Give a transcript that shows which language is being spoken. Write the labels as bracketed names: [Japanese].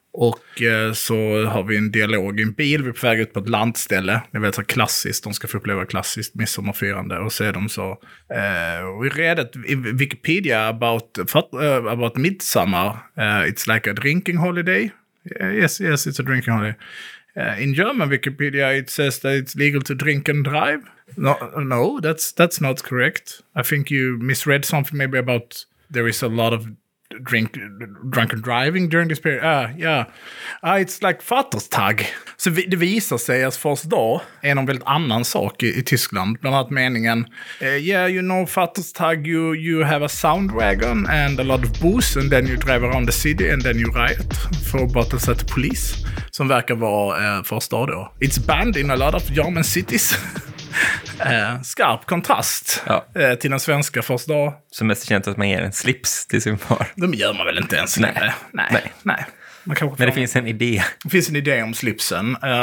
[Swedish] Och så har vi en dialog i en bil, vi är på väg ut på ett lantställe. Det är väldigt klassiskt, de ska få uppleva klassiskt midsommarfirande. Och så är de så, [English] we read it in Wikipedia about midsommar. It's like a drinking holiday. Yes, it's a drinking holiday. In German Wikipedia it says that it's legal to drink and drive. No, that's not correct. I think you misread something maybe about there is a lot of... drunken driving during this period. It's like Vaterstag. [Swedish] Så det visar sig att fars dag är någon väldigt annan sak i Tyskland. Bland annat meningen [English] you know Vaterstag, you have a sound wagon and a lot of booze and then you drive around the city and then you riot for bottles at the police. [Swedish] Som verkar vara fars dag då. [English] It's banned in a lot of German cities. [Swedish] Skarp kontrast, ja. Till den svenska fars dag. Som mest känns att man ger en slips till sin far. De gör man väl inte ens. Nej. Man kan men det finns en idé. Det finns en idé om slipsen.